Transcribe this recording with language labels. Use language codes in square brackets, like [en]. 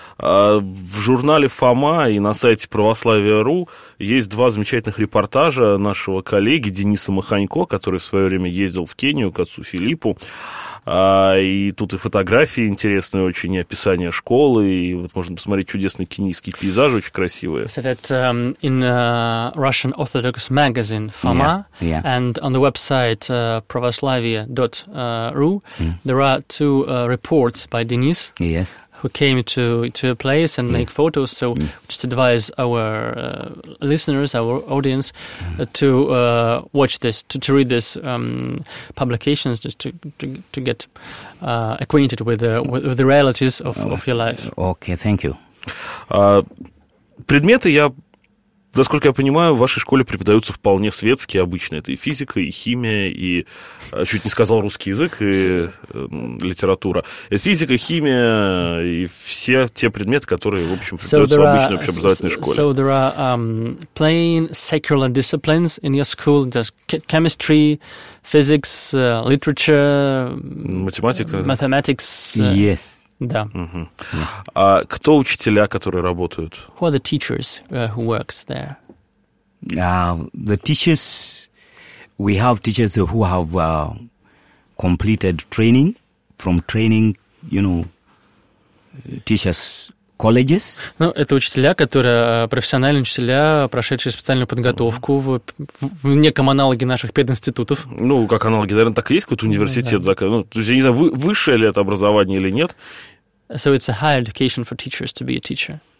[ru] В журнале «Фома» и на сайте «Православие.ру» есть два замечательных репортажа нашего коллеги Дениса Маханько, который в свое время ездил в Кению к отцу Филиппу. И тут и фотографии интересные очень, и описание школы, и вот можно посмотреть чудесные кенийские пейзажи, очень красивые. [en] So that in Russian Orthodox magazine Fama, and on the website pravoslavie.ru, there are two reports by Denis, who came to a place and make photos, so just advise our listeners, our audience, to watch this, to read this publications, just to get acquainted with the realities of your life. Okay, thank you. [ru] Предметы, я, насколько я понимаю, в вашей школе преподаются вполне светски, обычно это и физика, и химия, и чуть не сказал русский язык, и литература. Физика, химия и все те предметы, которые, в общем, преподаются в обычной общеобразовательной школе. [en] So there are plain secular disciplines in your school, just chemistry, physics, literature, [ru] математика. [en] Mathematics. Yes. [ru] Да. А кто учителя, которые работают? [en] Who are the teachers who works there? The teachers, we have teachers who have completed training from training, you know, teachers colleges. [ru] Ну, это учителя, которые профессиональные учителя, прошедшие специальную подготовку в неком аналоге наших пединститутов. Ну, как аналоги, наверное, так и есть какой-то университет закрыт. Ну, то есть, я не знаю, высшее ли это образование или нет. [en] So it's a higher education for teachers to be a teacher.